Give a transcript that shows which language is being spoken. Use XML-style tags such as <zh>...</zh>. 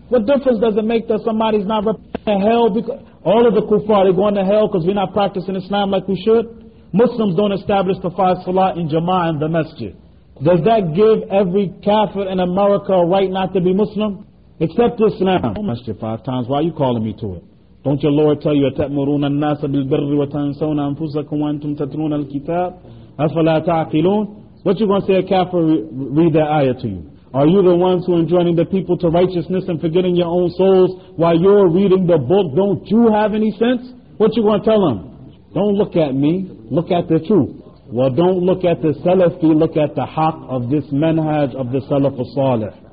<en>What difference does it make that somebody's not going to hell? Because all of the kuffar are going to hell because we're not practicing Islam like we should? Muslims don't establish the five salah in jama'ah in the masjid. Does that give every kafir in America a right not to be Muslim? Accept Islam. Masjid five times, why are you calling me to it? Don't your Lord tell you,</en> <ar>أَتَأْمُرُونَ النَّاسَ بِالْبِرِّ وَتَنْسَوْنَ أَنفُسَكُمْ وَأَنْتُمْ تَتْرُونَ الْكِتَابِ أَفَلَا تَعْقِلُونَ?</ar> <en>What you going to say a kafir read that ayah to you? Are you the ones who are enjoining the people to righteousness and forgetting your own souls while you're reading the book? Don't you have any sense? What you going to tell them? Don't look at me, look at the truth. Well, don't look at the Salafi, look at the haq of this manhaj of the Salaf al-Salih.</en>